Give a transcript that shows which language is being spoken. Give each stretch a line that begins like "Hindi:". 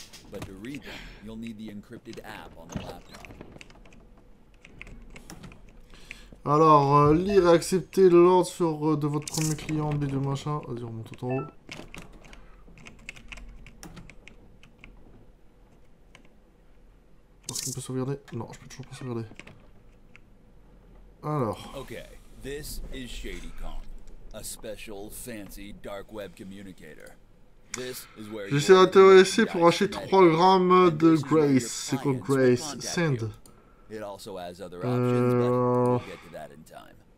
English: But to read them, you'll need the encrypted app on the laptop.
French: Alors, lire et accepter l'ordre sur de votre premier client, B2 machin. Vas-y, remonte tout en haut. Est-ce qu'on peut sauvegarder? Non, je peux toujours pas sauvegarder. Alors.
English: Ok, this is ShadyCom, a special fancy dark web communicator.
French: Je suis intéressé pour acheter 3 grammes de Grace. C'est quoi Grace? Send.
English: It also has other options, but we'll get to that in time.